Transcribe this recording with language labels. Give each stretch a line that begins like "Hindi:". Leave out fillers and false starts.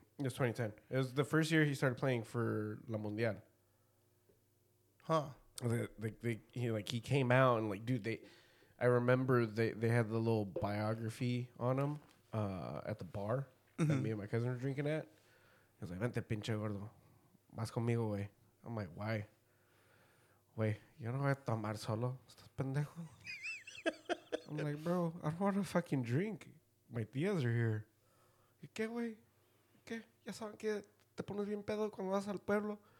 English: It was 2010. It was the first year he started playing for La Mundial. Huh. He came out and like, dude, I remember they had the little biography on him at the bar mm-hmm. that me and my cousin were drinking at. He was like,
Spanish: vente pinche gordo, vas conmigo, güey.
English: I'm like, why?
Spanish: Güey, yo no voy a tomar solo, estás pendejo.
English: I'm like, bro, I don't want to fucking drink. My tías are here.
Spanish: ¿Qué, güey? ¿Qué? Ya saben que te pones bien pedo cuando vas al pueblo.